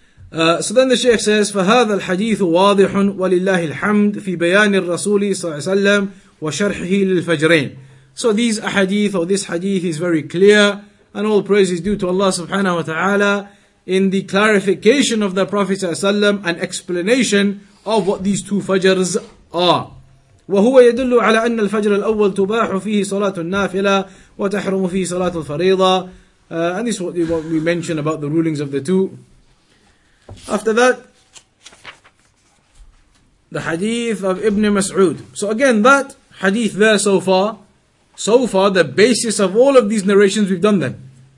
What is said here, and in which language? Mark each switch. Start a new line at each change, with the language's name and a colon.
English: So then the Shaykh says,
Arabic: فَهَذَا الْحَدِيثُ وَاضِحٌ وَلِلَّهِ الْحَمْدُ فِي بَيَانِ الرَّسُولِ صَلَّى اللَّهُ عَلَيْهِ وَسَلَّمْ وَشَرْحِهِ لِلْفَجْرَيْنِ.
English: So these ahadith, or this hadith, is very clear, and all praise is due to Allah subhanahu wa ta'ala in the clarification of the Prophet sallallahu alayhi wa sallam and explanation of what these two fajrs are.
Arabic: وهو يدل على أن الفجر الأول تباح فيه صلاة النافلة وتحرم فيه صلاة الفريضة.
English: And this is what we mentioned about the rulings of the two. After that, the hadith of Ibn Mas'ud. So again, that hadith there so far, the basis of all of these narrations, we've done them.